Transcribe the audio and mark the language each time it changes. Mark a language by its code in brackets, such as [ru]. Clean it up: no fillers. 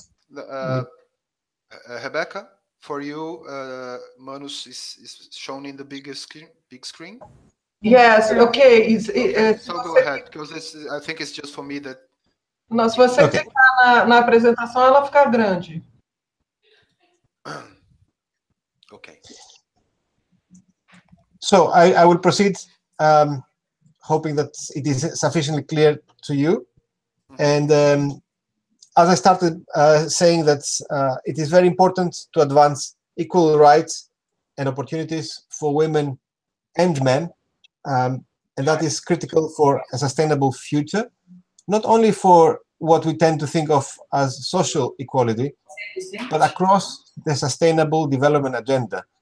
[en] Rebecca, for you, Manus is shown in the biggest screen. Big screen. Yes, okay. It's, so go ahead, because it's, I think it's just for me that... [pt] Não, se você clicar na apresentação, ela fica grande. [en] Okay. So I will proceed, hoping that it is sufficiently clear to you. And as I started saying that it is very important to advance equal rights and opportunities for women and men, and that is critical for a sustainable future, not only for what we tend to think of as social equality, but across the sustainable development agenda.